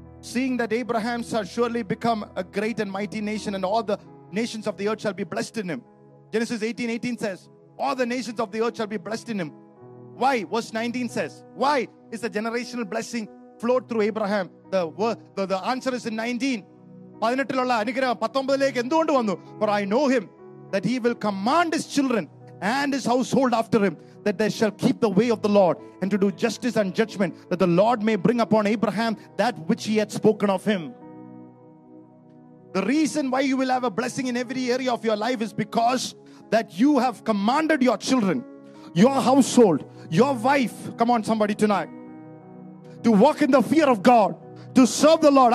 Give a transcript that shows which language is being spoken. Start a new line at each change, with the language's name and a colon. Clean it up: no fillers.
English: Seeing that Abraham shall surely become a great and mighty nation, and all the nations of the earth shall be blessed in him. Genesis 18:18 says, all the nations of the earth shall be blessed in him. Why? Verse 19 says, why is the generational blessing flowed through Abraham? The answer is in 19.
Malayalam: 18-ലുള്ള അനുഗ്രഹം 19-ലേക്ക് എന്തുകൊണ്ട് വന്നു?
English: For I know him that he will command his children and his household after him, that they shall keep the way of the Lord and to do justice and judgment, that the Lord may bring upon Abraham that which he had spoken of him. The reason why you will have a blessing in every area of your life is because that you have commanded your children, your household, your wife, come on somebody tonight, to walk in the fear of God, to serve the Lord.